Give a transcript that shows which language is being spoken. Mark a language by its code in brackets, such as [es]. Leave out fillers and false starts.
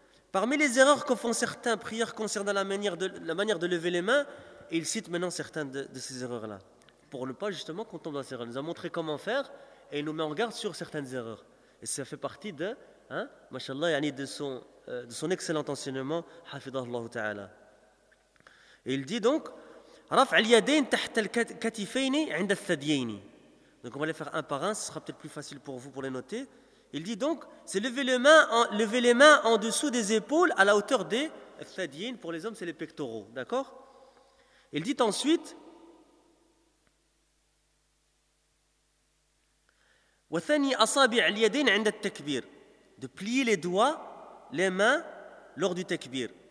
[fr] Parmi les erreurs que font certains prières concernant la manière de lever les mains, et il cite maintenant certaines de ces erreurs-là, pour ne pas justement qu'on tombe dans ces erreurs. Il nous a montré comment faire, et il nous met en garde sur certaines erreurs. Et ça fait partie de, hein, mashallah, yani de son excellent enseignement, hafidhahullah ta'ala. Et il dit donc, [ar] رفع اليدين تحت الكتفين عند الثديين. [fr] Donc on va les faire un par un, ce sera peut-être plus facile pour vous pour les noter. Il dit donc, c'est lever les mains en dessous des épaules à la hauteur des thadiyin. Pour les hommes, c'est les pectoraux, d'accord? Il dit ensuite, [ar] وثني أصابع اليدين عند التكبير, [fr] de plier les doigts, les mains lors du takbir.